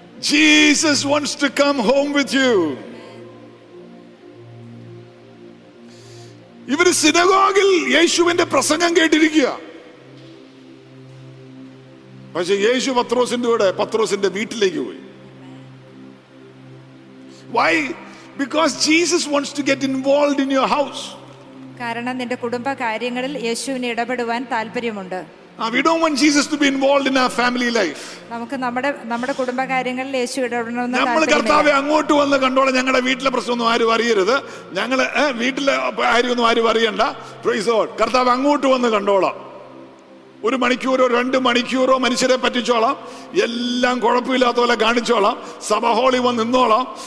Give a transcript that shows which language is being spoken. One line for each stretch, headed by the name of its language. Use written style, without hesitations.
English: Jesus wants to come home with you.
Malayalam: ഇവര് സിനഗോഗിൽ യേശുവിന്റെ പ്രസംഗം കേട്ടിരിക്കുക. പക്ഷെ യേശു പത്രോസിന്റെ കൂടെ പത്രോസിന്റെ വീട്ടിലേക്ക് പോയി.
English: Why? Because Jesus wants to get involved in your house.
Malayalam: കാരണം നിന്റെ കുടുംബ കാര്യങ്ങളിൽ യേശുവിനെ ഇടപെടുവാൻ താല്പര്യമുണ്ട്.
English: We don't want Jesus to be involved in our family life.
Malayalam: നമുക്ക് നമ്മുടെ കുടുംബ കാര്യങ്ങളിൽ യേശു ഇടപെടണമെന്ന് താല്പര്യമില്ല. നമ്മൾ കർത്താവെ അങ്ങോട്ട് വന്ന് കണ്ടോളെ, ഞങ്ങളുടെ വീട്ടിലെ പ്രശ്നമൊന്നും ആരും അറിയരുത്, ഞങ്ങള് വീട്ടിലെ ആരെയൊന്നും ആരും അറിയണ്ട.
English: Praise God.
Malayalam: കർത്താവ് അങ്ങോട്ട് വന്ന് കണ്ടോളാം. ഒരു മണിക്കൂറോ രണ്ട് മണിക്കൂറോ മനുഷ്യരെ പറ്റിച്ചോളാം, എല്ലാം കുഴപ്പമില്ലാത്ത പോലെ കാണിച്ചോളാം, സഭ ഹോളി വന്ന് നിന്നോളാം.